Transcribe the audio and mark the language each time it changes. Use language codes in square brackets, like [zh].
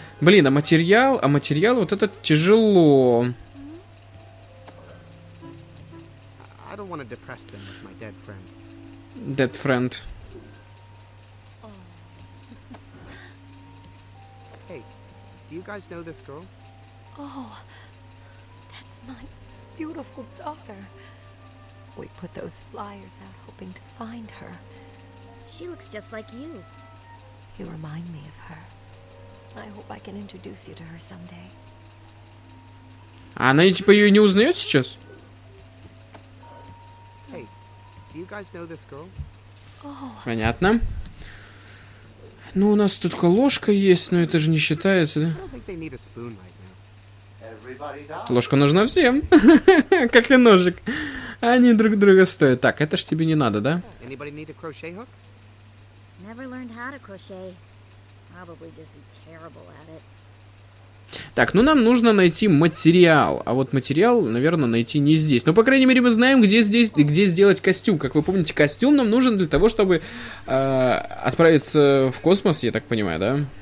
[ru] Блин, а материал вот этот тяжело. [en] I don't want to depress them with my dead friend. Dead friend. Hey, do you guys know this girl? Oh, that's my beautiful daughter. We put those flyers out hoping to find her. She looks just like you. You remind me of her. I hope I can introduce you to her someday. [ru] Она типа ее не узнает сейчас? [en] Hey, do you guys know this girl? Oh. [ru] Понятно. Ну, у нас тут ложка есть, но это же не считается, да? [en] I don't think they need a spoon right now. Everybody does. [ru] Ложка нужна всем. Как и ножик. Они друг друга стоят. Так, это ж тебе не надо, да? [en] Anybody need a crochet hook? Never learned how to crochet. Probably just be terrible at it. [ru] Так, ну нам нужно найти материал. А вот материал, наверное, найти не здесь. Но, по крайней мере, мы знаем, где здесь, где сделать костюм. Как вы помните, костюм нам нужен для того, чтобы отправиться в космос, я так понимаю, да?